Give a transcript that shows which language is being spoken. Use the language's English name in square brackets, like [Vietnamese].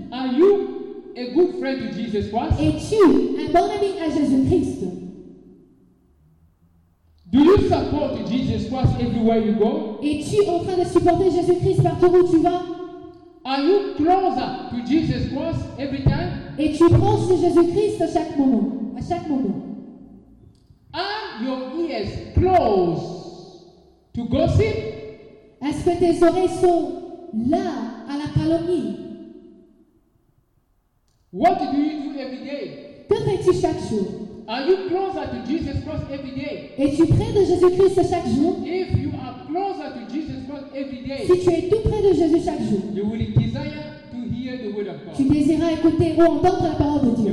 [English] Are you a good friend to Jesus Christ? [French] Es-tu un bon ami à Jésus Christ? [English] Do you support Jesus Christ everywhere you go? [French] Es-tu en train de supporter Jésus Christ partout où tu vas? [English] Are you closer to Jesus Christ every time? [French] Es-tu proche de Jésus Christ à chaque moment? [English] Are your ears closed to gossip? [French] Est-ce que tes oreilles sont là à la calomnie? [English] What do you do every day? [French] Que fais-tu chaque jour? [English] Are you closer to Jesus Christ every day? [French] Es-tu près de Jésus Christ chaque jour? [English] If you are closer to Jesus Christ every day, [French] si tu es tout près de Jésus chaque jour, [English] you will desire to hear the word of God. [French] Tu désireras écouter ou entendre la parole de Dieu.